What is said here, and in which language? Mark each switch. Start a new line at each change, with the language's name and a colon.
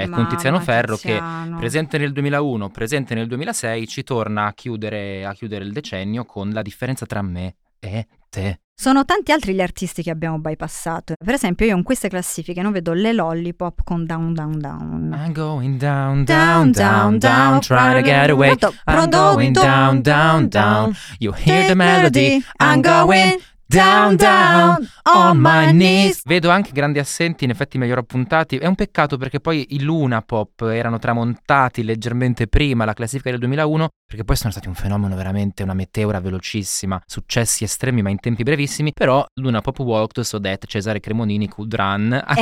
Italian: mamma, con Tiziano Ferro Tiziano. Che presente nel 2001, presente nel 2006, ci torna a chiudere il decennio con La differenza tra me e te. Sono tanti altri gli artisti che abbiamo bypassato. Per esempio, io in queste classifiche non vedo le Lollipop con Down Down Down.
English: I'm going down, down, down, down, down, trying to get away. I'm going down, down, down. You hear the melody, I'm going down, down, on my knees.
Italian: Vedo anche grandi assenti, in effetti meglio appuntati. È un peccato perché poi i Luna Pop erano tramontati leggermente prima la classifica del 2001, perché poi sono stati un fenomeno veramente, una meteora velocissima, successi estremi ma in tempi brevissimi. Però Luna Pop Walk to Sodette, Cesare Cremonini, Could Run anche